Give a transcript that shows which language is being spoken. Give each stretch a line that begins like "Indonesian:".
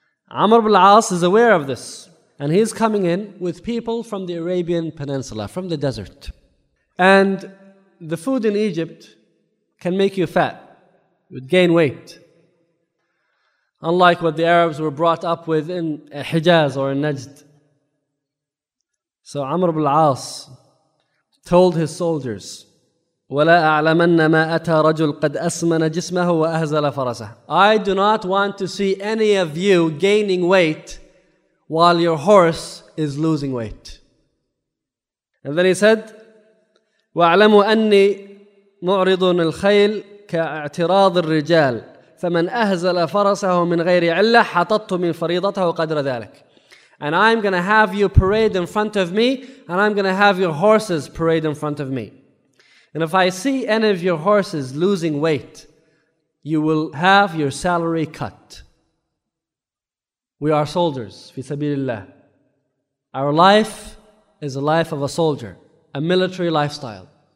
English: Amr ibn al-As is aware of this. And he's coming in with people from the Arabian Peninsula, from the desert. And the food in Egypt can make you fat. You would gain weight. Unlike what the Arabs were brought up with in Hijaz or in Najd. So Amr ibn al-As told his soldiers,
Arabic: وَلَا أَعْلَمَنَّ مَا أَتَى رَجُلْ قَدْ أَسْمَنَ جِسْمَهُ وَأَهْزَلَ فَرَسَهُ.
English: I do not want to see any of you gaining weight while your horse is losing weight. And then he said,
Arabic: وَأَعْلَمُ أَنِّي مُعْرِضٌ الْخَيْلِ كَاعْتِرَاضِ الرِّجَالِ فَمَنْ أَهْزَلَ فَرَسَهُ مِنْ غَيْرِ عِلَّهِ حَطَطْتُ مِنْ فَرِيضَتَهُ قَدْرَ ذَلَكَ.
English: And I'm going to have you parade in front of me, and I'm going to have your horses parade in front of me. And if I see any of your horses losing weight, you will have your salary cut. We are soldiers, fi sabilillah. Our life is the life of a soldier, a military lifestyle.